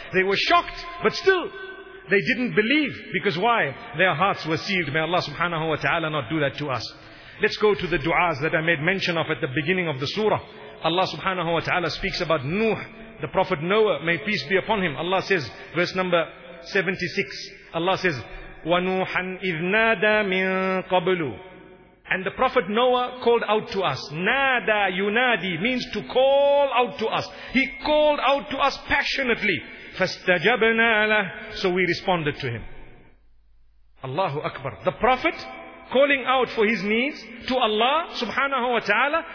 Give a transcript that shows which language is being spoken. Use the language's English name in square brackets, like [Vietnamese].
[English] They were shocked, but still, they didn't believe. Because why? Their hearts were sealed. May Allah subhanahu wa ta'ala not do that to us. Let's go to the du'as that I made mention of at the beginning of the surah. Allah subhanahu wa ta'ala speaks about Nuh, the Prophet Noah, may peace be upon him. Allah says, verse number 76. Allah says, [Arabic] وَنُوحًا إِذْ نَادَى مِن قَبْلُ. [English] And the Prophet Noah called out to us. Nada yunadi means to call out to us. He called out to us passionately. [Arabic] فَاسْتَجَبْنَا لَهُ. [English] So we responded to him. Allahu Akbar. The Prophet calling out for his needs to Allah subhanahu wa ta'ala.